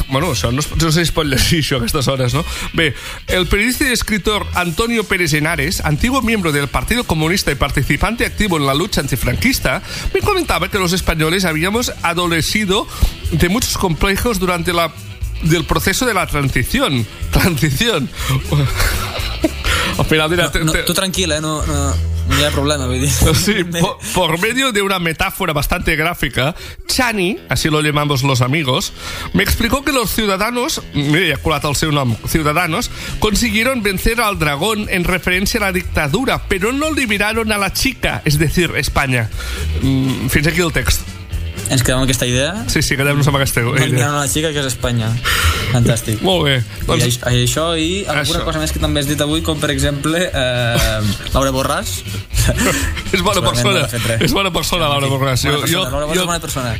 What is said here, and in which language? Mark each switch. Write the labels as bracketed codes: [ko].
[ca] Bueno, això no sé si es pot llegir això a aquestes hores, no? [es] Bé, el periodista y escritor Antonio Pérez Henares, antiguo miembro del Partido Comunista y participante activo en la lucha antifranquista, me comentaba que los españoles habíamos adolecido de muchos complejos durante la... del proceso de la transición. Transición. Al final dirás... Tú tranquila, no hay problema. Sí, por medio de una metáfora bastante gráfica, Chani, así lo llamamos los amigos, me explicó que los ciudadanos, [ca] mira, ya culata el seu nom, [es] ciudadanos, consiguieron vencer al dragón en referencia a la dictadura, pero no liberaron a la chica, es decir, España. [ca] Fins aquí el texto. Ens quedem amb aquesta idea? Sí, quedem-nos amb aquesta idea. Una xica que és Espanya. Fantàstic. Molt bé. Doncs... I alguna cosa més que també has dit avui, com per exemple, Laura Borràs. És bona persona. És bona persona, Laura Borràs. Sí, Laura Borràs és bona persona.